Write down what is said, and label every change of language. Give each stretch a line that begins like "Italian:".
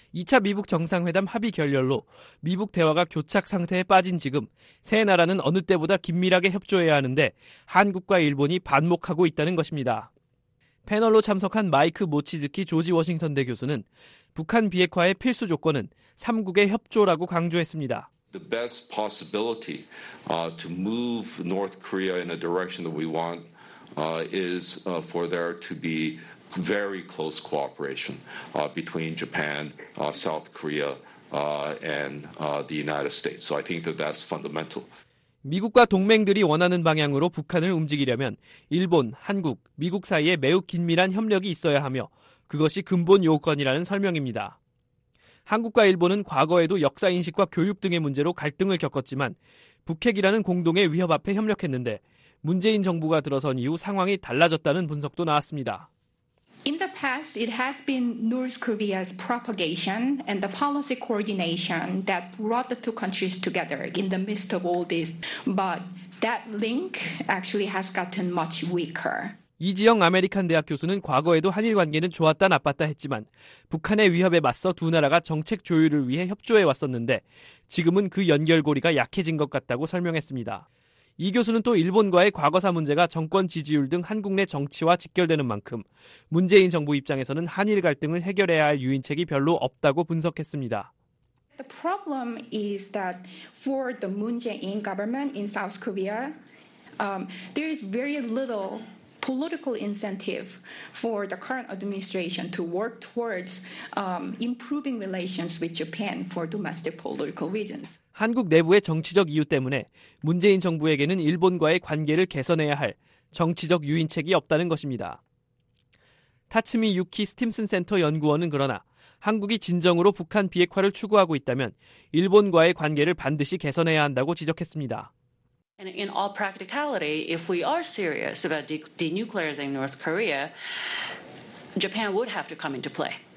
Korean: 2차 미북 정상회담 합의 결렬로 미북 대화가 교착 상태에 빠진 지금 세 나라는 어느 때보다 긴밀하게 협조해야 하는데 한국과 일본이 반목하고 있다는 것입니다. 패널로 참석한 마이크 모치즈키 조지 워싱턴대 교수는 북한 비핵화의 필수 조건은 3국의 협조라고 강조했습니다.
English: The best possibility to move North Korea in a direction that we want is for there to be very close cooperation between Japan, South Korea, and the United States. So I think that that's fundamental.
Korean: 미국과 동맹들이 원하는 방향으로 북한을 움직이려면 일본, 한국, 미국 사이에 매우 긴밀한 협력이 있어야 하며 그것이 근본 요건이라는 설명입니다. 한국과 일본은 과거에도 역사 인식과 교육 등의 문제로 갈등을 겪었지만 북핵이라는 공동의 위협 앞에 협력했는데 문재인 정부가 들어선 이후 상황이 달라졌다는 분석도 나왔습니다.
English: In the past, it has been North Korea's propagation and the policy coordination that brought the two countries together in the midst of all this. But that link actually has gotten much weaker.
Korean: 이지영 아메리칸 대학 교수는 과거에도 한일 관계는 좋았다 나빴다 했지만 북한의 위협에 맞서 두 나라가 정책 조율을 위해 협조해 왔었는데 지금은 그 연결고리가 약해진 것 같다고 설명했습니다. 이 교수는 또 일본과의 과거사 문제가 정권 지지율 등 한국 내 정치와 직결되는 만큼 문재인 정부 입장에서는 한일 갈등을 해결해야 할 유인책이 별로 없다고 분석했습니다.
English: The problem is that for the Moon Jae-in government in South Korea, there is very little political incentive for the current administration to work towards improving relations with Japan for domestic political reasons.
Korean: 한국 내부의 정치적 이유 때문에 문재인 정부에게는 일본과의 관계를 개선해야 할 정치적 유인책이 없다는 것입니다. 타츠미 유키 스팀슨 센터 연구원은 그러나 한국이 진정으로 북한 비핵화를 추구하고 있다면 일본과의 관계를 반드시 개선해야 한다고 지적했습니다.
English: And in all practicality, if we are serious about denuclearizing North Korea, Japan would have to come into play.